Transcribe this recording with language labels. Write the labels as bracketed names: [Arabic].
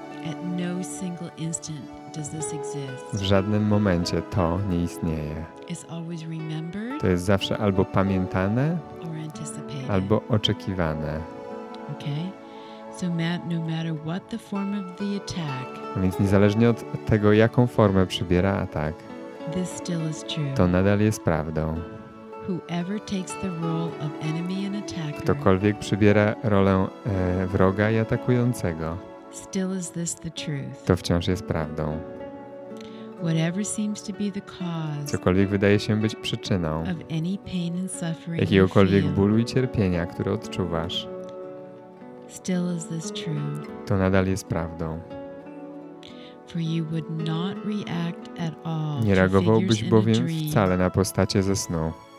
[English] At no single instant does this exist. [Polish] W żadnym momencie to nie istnieje. [English] It's always remembered, [Polish] to jest zawsze albo pamiętane, albo oczekiwane. [English] Okay. So no matter what the form of the attack. [Polish] A więc niezależnie od tego, jaką formę przybiera atak. [English] This still is true. [Polish] To nadal jest prawdą. [English] Whoever takes the role of enemy and attacker. [Polish] Ktokolwiek przybiera rolę wroga i atakującego. [English] Still is this the truth. [Polish] To wciąż jest prawdą. [English] Whatever seems to be the cause. [Polish] Cokolwiek wydaje się być przyczyną. [English] Of any pain and suffering. [Polish] Jakiegokolwiek bólu i cierpienia, które odczuwasz. [English] Still is this true. [Polish] To nadal jest prawdą. [English] For you would not react at all. [Polish] Nie reagowałbyś bowiem wcale na postacie ze snu.